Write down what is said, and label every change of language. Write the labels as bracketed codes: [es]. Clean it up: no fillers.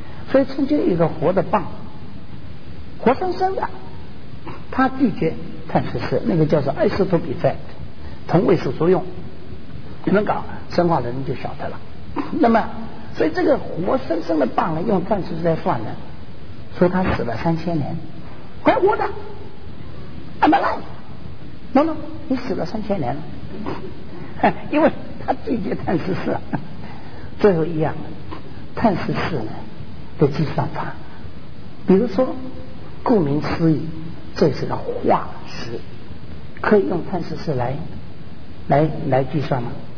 [zh] 所以曾经一个活的蚌，活生生的，它拒绝碳十四，那个叫做 isotope effect， 同位素作用。你们搞生化的人就晓得了。那么，所以这个活生生的蚌呢，用碳十四来算呢，说它死了3000年。还活着 ， [en] I'm alive。 No， [zh] 你死了3000年了，因为他拒绝碳十四。最后一样，碳十四呢的计算法，比如说，顾名思义，这是个化石，可以用碳十四来计算吗？